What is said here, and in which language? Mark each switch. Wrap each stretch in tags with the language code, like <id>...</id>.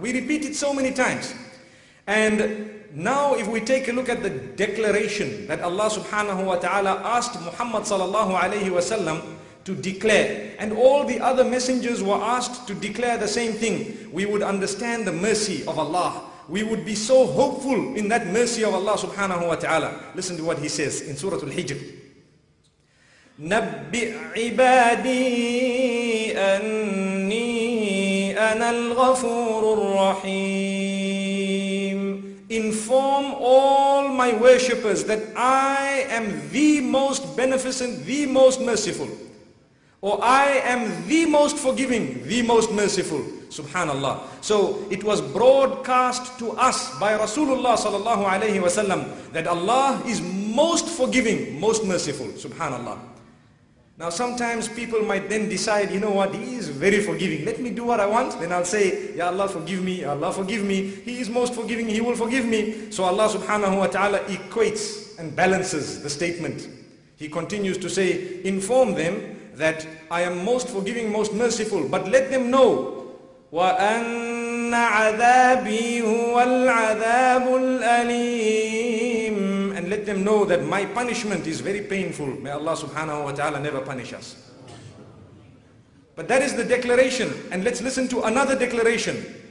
<en>We repeat it so many times. And now if we take a look at the declaration that Allah subhanahu wa ta'ala asked Muhammad sallallahu alayhi wa sallam to declare, and all the other messengers were asked to declare the same thing, we would understand the mercy of Allah. We would be so hopeful in that mercy of Allah subhanahu wa ta'ala. Listen to what he says in Surah Al-Hijr.</en> <ar>نبئ عبادي أني أنا الغفور الرحيم.</ar> <en>Inform all my my worshippers that I am the most beneficent, the most merciful. Or I am the most forgiving, the most merciful. Subhanallah. So it was broadcast to us by Rasulullah sallallahu alayhi wa sallam that Allah is most forgiving, most merciful. Subhanallah. Now sometimes people might then decide, you know what, he is very forgiving. Let me do what I want. Then I'll say, Ya Allah forgive me, Ya Allah forgive me. He is most forgiving, he will forgive me. So Allah subhanahu wa ta'ala equates and balances the statement. He continues to say, inform them that I am most forgiving, most merciful. But let them know,</en> <ar>وَأَنَّ عَذَابِي هُوَ الْعَذَابُ الْأَلِيمُ.</ar> <en>And let them know that my punishment is very painful. May Allah subhanahu wa ta'ala never punish us. But that is the declaration. And let's listen to another declaration.</en>